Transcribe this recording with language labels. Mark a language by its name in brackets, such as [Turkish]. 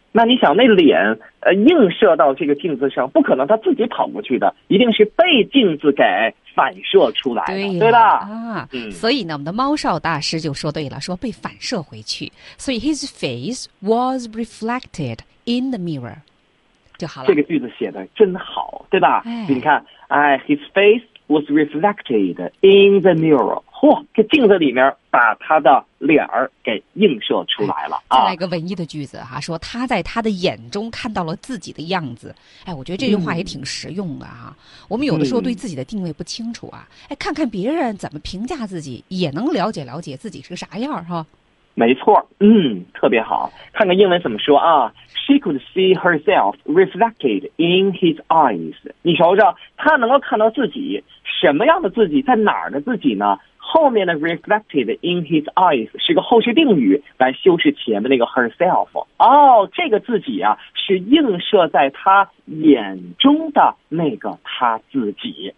[Chinese] 那你想，那脸映射到这个镜子上，不可能他自己跑过去的，一定是被镜子给反射出来的，对、啊、对吧？啊，所以呢，我们的猫少大师就说对了，说被反射回去，所以 [English] his face was reflected in the mirror， [Chinese] 就好了。这个句子写的真好，对吧？哎、你看，哎 [English] ，his face was reflected in the mirror。 [Chinese] 嚯、哦，这镜子里面把他的脸儿给映射出来了、哎、啊！再来一个文艺的句子哈、啊，说他在他的眼中看到了自己的样子。哎，我觉得这句话也挺实用的哈、啊嗯。我们有的时候对自己的定位不清楚啊、嗯，哎，看看别人怎么评价自己，也能了解了解自己是个啥样哈、啊。没错，嗯，特别好。看看英文怎么说啊 [English] ？She could see herself reflected in his eyes。 [Chinese] 你瞅瞅，他能够看到自己什么样的自己，在哪儿的自己呢？后面的 [English] reflected in his eyes [Chinese] 是个后续定语，来修饰前面那个 herself。哦，这个自己啊，是映射在他眼中的那个他自己，